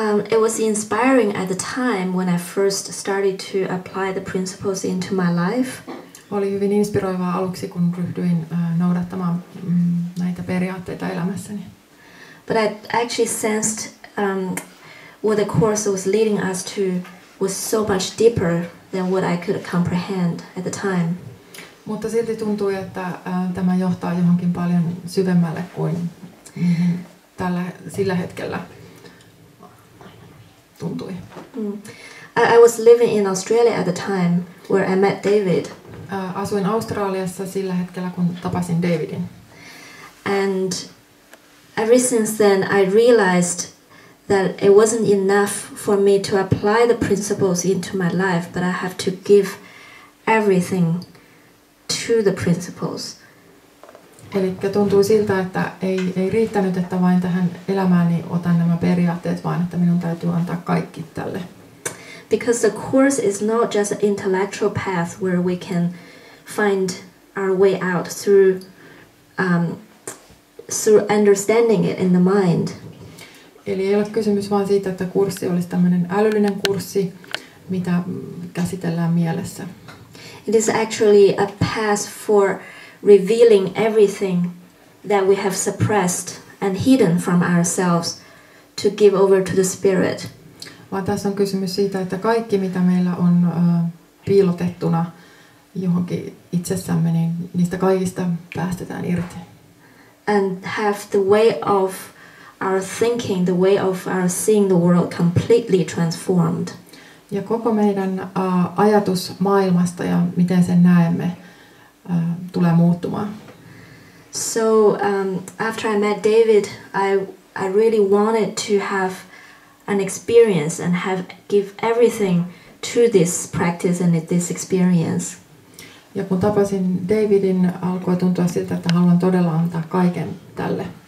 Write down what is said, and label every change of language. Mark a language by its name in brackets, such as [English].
[English] It was inspiring at the time when I first started to apply the principles into my life. [Finnish] Oli hyvin inspiroivaa aluksi, kun ryhdyin noudattamaan näitä periaatteita elämässäni. [English] But I actually sensed what the course was leading us to was so much deeper than what I could comprehend at the time. [Finnish] Mutta silti tuntui, että tämä johtaa johonkin paljon syvemmälle kuin sillä hetkellä tuntui. [English] I was living in Australia at the time where I met David. [Finnish] Asuin Australiassa sillä hetkellä, kun tapasin Davidin. [English] And ever since then I realized that it wasn't enough for me to apply the principles into my life, but I have to give everything to the principles. [Finnish] Elikkä tuntuu siltä, että ei riittänyt, että vain tähän elämääni otan nämä periaatteet, vaan että minun täytyy antaa kaikki tälle. [English] Because the course is not just an intellectual path where we can find our way out through through understanding it in the mind. [Finnish] Eli ei ole kysymys vaan siitä, että kurssi olisi tämmöinen älyllinen kurssi, mitä käsitellään mielessä. [English] It is actually a path for revealing everything that we have suppressed and hidden from ourselves to give over to the spirit. [Finnish] Vaan tässä on kysymys siitä, että kaikki mitä meillä on piilotettuna johonkin itsessämme, niin niistä kaikista päästetään irti. [English] And have the way of our thinking, the way of our seeing the world completely transformed. [Finnish] Ja koko meidän ajatus maailmasta ja miten sen näemme tulee muuttumaan. [English] So after I met David, I really wanted to have an experience and have give everything to this practice and this experience. [Finnish] Ja kun tapasin Davidin, alkoi tuntua siltä, että haluan todella antaa kaiken tälle.